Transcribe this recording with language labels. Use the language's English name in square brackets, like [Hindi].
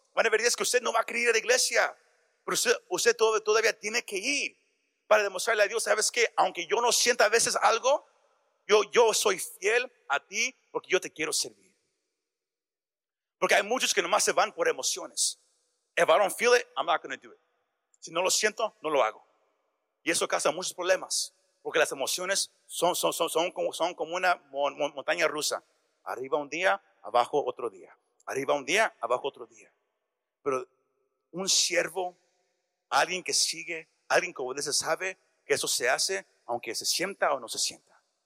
[Spanish] Van a haber días que usted no va a querer ir a la iglesia, pero usted todavía tiene que ir para demostrarle a Dios, ¿sabes qué? Aunque yo no sienta a veces algo, yo soy fiel a ti porque yo te quiero servir. Porque hay muchos que nomás se van por emociones. [English] If I don't feel it, I'm not going to do it. [Spanish] Si no lo siento, no lo hago. Y eso causa muchos problemas, porque las emociones son como una montaña rusa. Arriba un día, abajo otro día. Arriba un día, abajo otro día. Pero un siervo, alguien que sigue, alguien que obedece, sabe que eso se hace aunque se sienta o no se sienta.